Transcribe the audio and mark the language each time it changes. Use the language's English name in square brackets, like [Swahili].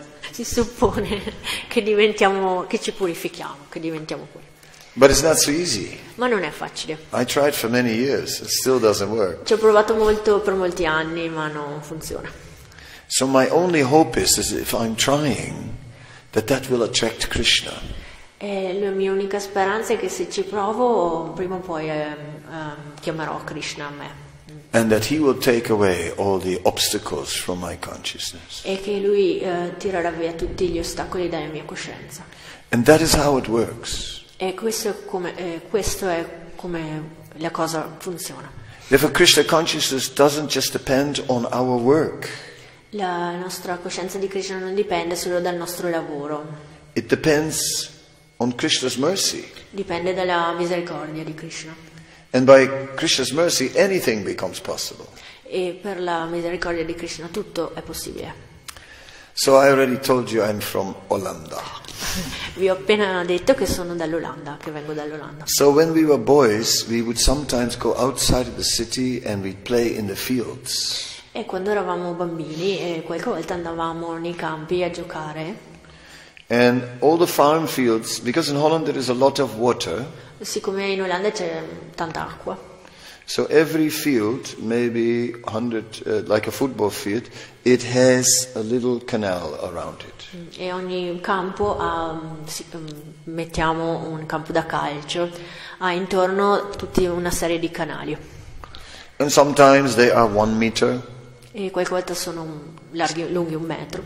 [Italian] Si suppone che ci purifichiamo puri. [English] But it's not so easy. [Italian] Ma non è facile. [English] I tried for many years, it still doesn't work. [Italian] Ci ho provato molto per molti anni, ma non funziona. [English] So my only hope is if I'm trying, that will attract Krishna. [Italian] E la mia unica speranza è che se ci provo, prima o poi chiamerò Krishna a me. [English] And that he will take away all the obstacles from my consciousness. [Italian] E che lui tirerà via tutti gli ostacoli dalla mia coscienza. [English] And that is how it works. [Italian] E questo è come la cosa funziona. [English] Therefore, Krishna consciousness doesn't just depend on our work. [Italian] La nostra coscienza di Krishna non dipende solo dal nostro lavoro. [English] It depends on Krishna's mercy. [Italian] Dipende dalla misericordia di Krishna. [English] And by Krishna's mercy, anything becomes possible. [Italian] E per la misericordia di Krishna tutto è possibile. [English] So I already told you I'm from Olanda. [Italian] Vi ho appena detto che sono dall'Olanda, che vengo dall'Olanda. [English] So when we were boys, we would sometimes go outside the city and we'd play in the fields. [Italian] E quando eravamo bambini, qualche volta andavamo nei campi a giocare. [English] And all the farm fields, because in Holland there is a lot of water. [Italian] Siccome in Olanda c'è tanta acqua. [English] So every field, maybe 100, like a football field, it has a little canal around it. [Italian] E ogni campo ha, mettiamo un campo da calcio, ha intorno tutta una serie di canali. [English] And sometimes they are 1 meter. [Italian] E qualche volta sono larghi, lunghi 1 metro.